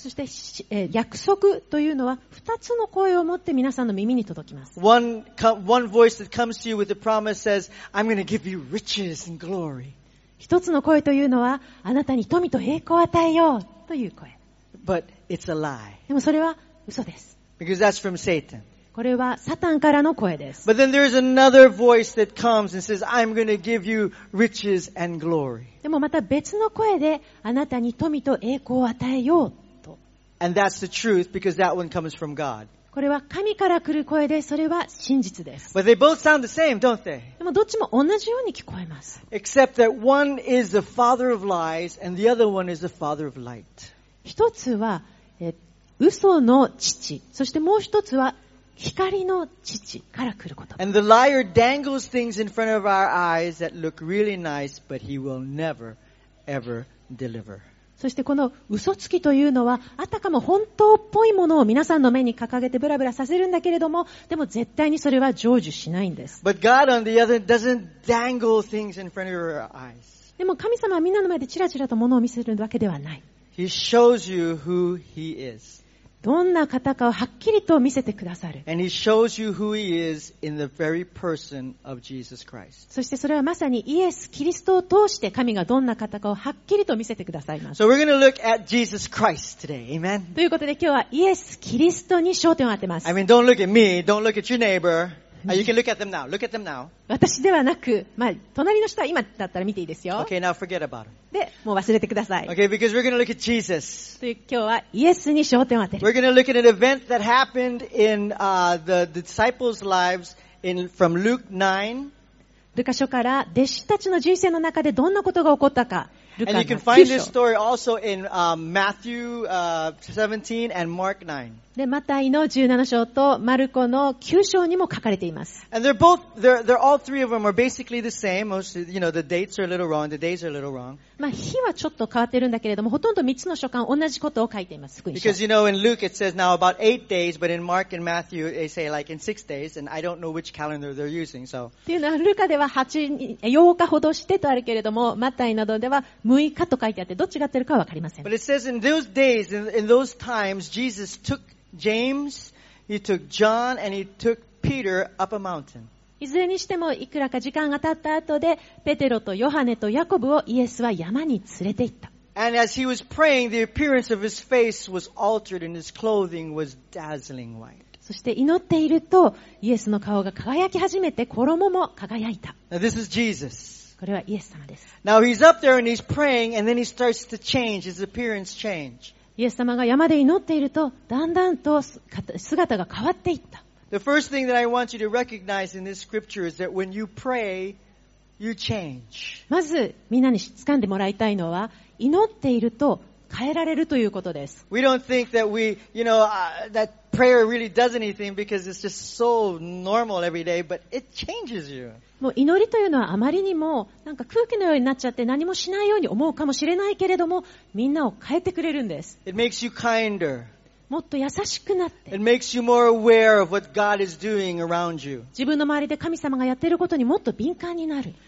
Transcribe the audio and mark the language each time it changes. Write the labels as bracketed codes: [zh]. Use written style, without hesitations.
[ja] そして、約束というのは二つの声を持って皆さんの耳に届きます。 [en] One voice that comes to you with a promise says, I'm going to give you riches and glory. [ja] 一つの声というのは、あなたに富と栄光を与えようという声。 [en] But it's a lie. [ja] でもそれは嘘です。 [en] Because that's from Satan. [ja] これはサタンからの声です。 [en] But then there is another voice that comes and says, I'm going to give you riches and glory. [ja] でもまた別の声であなたに富と栄光を与えようと。 [en] And that's the truth because that one comes from God. [ja] これは神から来る声で、それは真実です。 [en] But they both sound the same, don't they? [ja] でもどっちも同じように聞こえます。 [en] Except that one is the father of lies and the other one is the father of light. [ja] 一つは嘘の父、そしてもう一つは光の父から来ること。 [en] And the liar dangles things in front of our eyes that look really nice, but he will never, ever deliver. [ja] そしてこの嘘つきというのは、あたかも本当っぽいものを皆さんの目に掲げてブラブラさせるんだけれども、でも絶対にそれは成就しないんです。 [en] But God on the other doesn't dangle things in front of our eyes. [ja] でも神様はみんなの前でチラチラと物を見せるわけではない。 [en] He shows you who he is. [ja] どんな方かをはっきりと見せてくださる。 [en] And he shows you who he is in the very person of Jesus Christ. [ja] そしてそれはまさにイエス・キリストを通して神がどんな方かをはっきりと見せてくださいます。 [en] So we're going to look at Jesus Christ today. Amen. [ja] ということで今日はイエス・キリストに焦点を当てます。 [en] I mean, don't look at me. Don't look at your neighbor. You can look at them now. Look at them now. [ja] 私ではなく、まあ、隣の人は今だったら見ていいですよ。 [en] Okay, now forget about him. [ja] で、もう忘れてください。 [en] Okay, because we're going to look at Jesus. [ja] 今日はイエスに焦点を当てる。 [en] We're going to look at an event that happened in the disciples' lives from Luke 9. [ja] ルカ書から弟子たちの人生の中でどんなことが起こったか。 [en] And you can find this story also in Matthew 17 and Mark 9. [ja] で、マタイの17章とマルコの9章にも書かれています。 [en] And they're all three of them are basically the same. Most, you know, the dates are a little wrong. The days are a little wrong. [ja] まあ、日はちょっと変わってるんだけれども、ほとんど3つの書簡同じことを書いています。 [en] Because you know, in Luke it says now about 8 days, but in Mark and Matthew they say like in 6 days, and I don't know which calendar they're using, so. [ja] っていうのは、ルカでは8日ほどしてとあるけれども、マタイなどでは6日と書いてあって、どっちがってるかは分かりません。 [en] But it says in those days, in those times, Jesus took James, he took John, and he took Peter up a mountain. [ja] いずれにしても、いくらか時間が経った後で、ペテロとヨハネとヤコブをイエスは山に連れて行った。 [en] And as he was praying, the appearance of his face was altered and his clothing was dazzling white. [ja] そして祈っていると、イエスの顔が輝き始めて、衣も輝いた。 [en] Now, this is Jesus. [ja] これはイエス様です。 [en] Now he's up there and he's praying and then he starts to change, his appearance change. [ja] イエス様が山で祈っていると、だんだんと姿が変わっていった。 [en] The first thing that I want you to recognize in this scripture is that when you pray, you change. [ja] まず、みんなに掴んでもらいたいのは、祈っていると、変えられるということです。 [en] We don't think that we, you know, that prayer really does anything because it's just so normal every day, but it changes you. [ja] もう祈りというのはあまりにもなんか空気のようになっちゃって何もしないように思うかもしれないけれども、みんなを変えてくれるんです。 [en] It makes you kinder. [ja] もっと優しくなって。 [en] It makes you more aware of what God is doing around you. [ja] 自分の周りで神様がやっていることにもっと敏感になる。